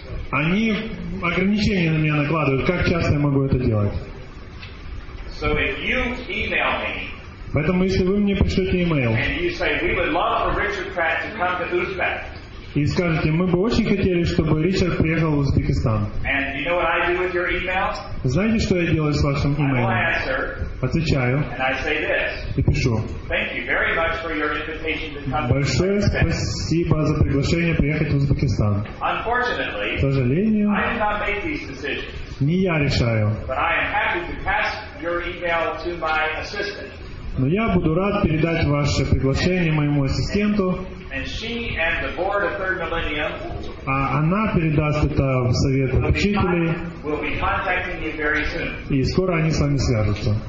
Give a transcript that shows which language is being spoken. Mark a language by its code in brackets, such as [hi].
[ru] Они ограничения на меня накладывают, как часто я могу это делать. [en] So if you email me, [ru] поэтому если вы мне пришлете email, [en] and you say we would love for Richard Pratt to come to Uzbek, [ru] и скажете, мы бы очень хотели, чтобы Ричард приехал в Узбекистан. [en] And you know what I do with your email? [ru] Знаете, что я делаю с вашим email? [en] I will answer, [ru] отвечаю. [en] And I say this. [ru] И пишу. [en] Thank you very much for your invitation to come. [ru] Большое спасибо за приглашение приехать в Узбекистан. [en] Unfortunately, [ru] к сожалению, [en] I did not make these decisions. [ru] Не я решаю. [en] But I am happy to pass your email to my assistant. [ru] Но я буду рад передать ваше приглашение моему ассистенту. [en] And she and the board of Third Millennium, [ru] а она передаст это в совет учителей. [en] Will be contacting you very soon. [ru] И скоро они с вами свяжутся.